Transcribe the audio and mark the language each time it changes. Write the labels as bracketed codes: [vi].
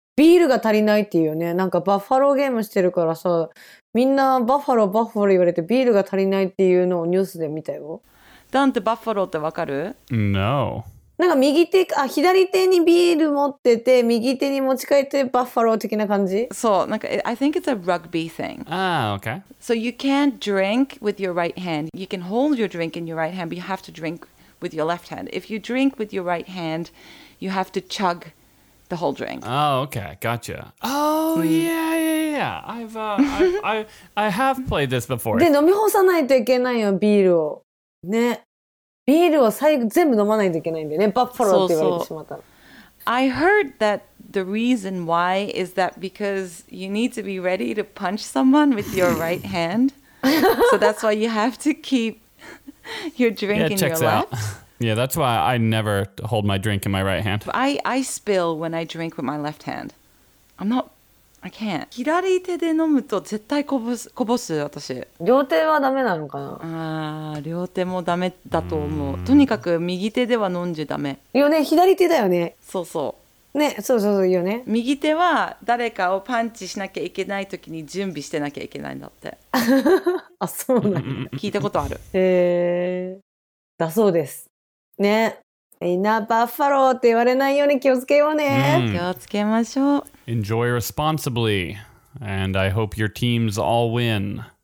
[ja] ビールが足りないっていうね。なんかバッファローゲームしてるからさ、みんなバッファロー、バッファロー言われてビールが足りないっていうのをニュースで見たよ。ダンってバッファローってわかる？ [en] No. [ja] なんか右手、あ、左手にビール持ってて、右手に持ち帰ってバッファロー的な感じ？そう、なんか、 [en] I think it's a rugby thing. Ah, okay. So you can't drink with your right hand. You can hold your drink in your right hand, but you have to drink with your left hand. If you drink with your right hand, you have to chug the whole drink. Oh, okay, gotcha. Oh, yeah, yeah, yeah. I have played this before. [ja] で、飲み干さないといけないよ、ビールを。ね。ビールを最後全部飲まないといけないんでね、バッファローって言われてしまったら。そうそう。 [en] I heard that the reason why is that because you need to be ready to punch someone with your right hand. So that's why you have to keep your drink yeah, in your left. Out. Yeah, that's why I never hold my drink in my right hand. I spill when I drink with my left hand. I can't. [ja] 左手で飲むと絶対こぼす、こぼす私。両手はダメなのかな？あ、両手もダメだと思う。とにかく右手では飲んじゃダメ。よね、左手だよね。そうそう。ね、そうそうそう、よね。右手は誰かをパンチしなきゃいけない時に準備してなきゃいけないんだって。あ、そうなんだ。聞いたことある。だそうです。ね。みんなバッファローって言われないように気をつけようね。気をつけましょう。 [en] Enjoy responsibly, and I hope your teams all win.